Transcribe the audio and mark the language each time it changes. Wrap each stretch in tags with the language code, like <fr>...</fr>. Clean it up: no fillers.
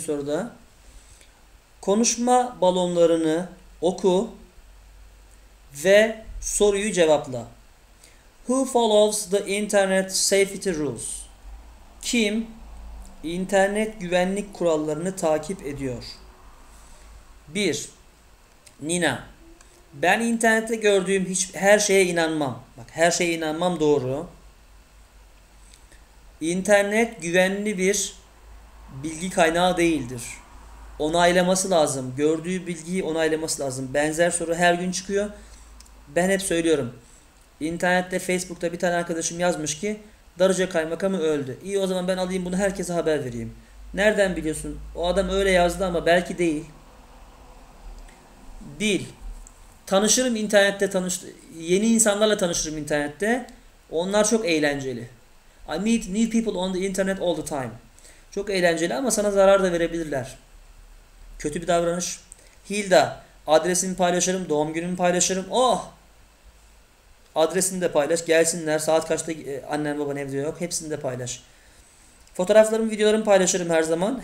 <tr>soruda konuşma balonlarını oku ve soruyu cevapla.</tr> <en>Who follows the internet safety rules?</en> <tr>Kim internet güvenlik kurallarını takip ediyor? 1. Nina. Ben internette gördüğüm her şeye inanmam. Bak, her şeye inanmam doğru. İnternet güvenli bir bilgi kaynağı değildir. Onaylaması lazım. Gördüğü bilgiyi onaylaması lazım. Benzer soru her gün çıkıyor. Ben hep söylüyorum. İnternette, Facebook'ta bir tane arkadaşım yazmış ki Darıca Kaymakamı öldü. İyi, o zaman ben alayım bunu, herkese haber vereyim. Nereden biliyorsun? O adam öyle yazdı ama belki değil. Değil. Tanışırım internette, yeni insanlarla tanışırım internette. Onlar çok eğlenceli.</tr> <en>I meet new people on the internet all the time.</en> <tr>Çok eğlenceli ama sana zarar da verebilirler. Kötü bir davranış. Hilda, adresimi paylaşırım, doğum günümü paylaşırım. Oh! Adresini de paylaş. Gelsinler. Saat kaçta annem baban evde yok. Hepsini de paylaş. Fotoğraflarımı, videolarımı paylaşırım her zaman.</tr>